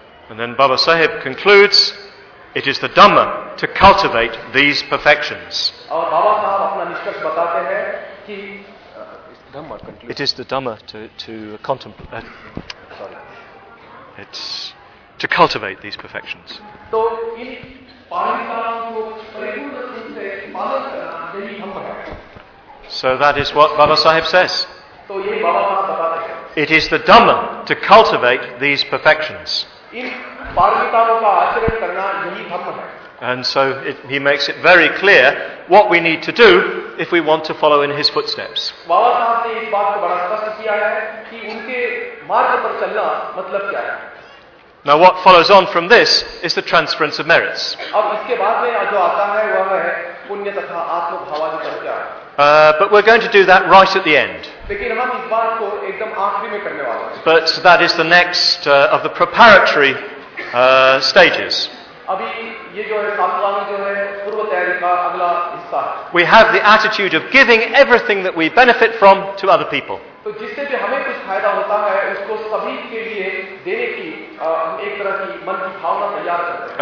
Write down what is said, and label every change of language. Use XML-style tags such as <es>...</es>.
<en>And then Baba Sahib concludes, it is the Dhamma to cultivate these perfections.</en> <hi>और बाबा साहब अपना निष्कर्ष बताते हैं कि</hi> <en>it is the Dhamma to contemplate. Sorry. It's to cultivate these perfections.</en> <hi>तो इन पारमिताओं को परिपूर्ण रूप से पालन करना यही धम्म है.</hi> <en>So that is what Baba Sahib says.</en> <hi>तो ये बाबा साहब बताते हैं.</hi> <en>It is the Dhamma to cultivate these perfections.</en> <hi>इन पारमिताओं का आचरण करना यही धम्म है.</hi> <en>And so he makes it very clear what we need to do if we want to follow in his footsteps.</en> <hi>बाबा साहब ने इस बात को बड़ा स्पष्ट किया है कि उनके मार्ग पर चलना मतलब क्या है.</hi> <en>Now what follows on from this is the transference of merits.</en> <hi>अब इसके बाद में जो आता है वह है पुण्य तथा आत्मभावादि प्रत्याय.</hi> <en>But we're going to do that right at the end.</en> <hi>लेकिन हम इस बात को एकदम आखिरी में करने वाले हैं.</hi> <en>But that is the next of the preparatory stages.</en> <hi>अभी ये जो है सामग्री जो है पूर्व तैयारी का अगला हिस्सा है.</hi> <en>We have the attitude of giving everything that we benefit from to other people.</en> <hi>तो जिससे भी हमें कुछ फायदा होता है उसको सभी के लिए देने की हम एक तरह की मन की भावना तैयार करते हैं.</hi>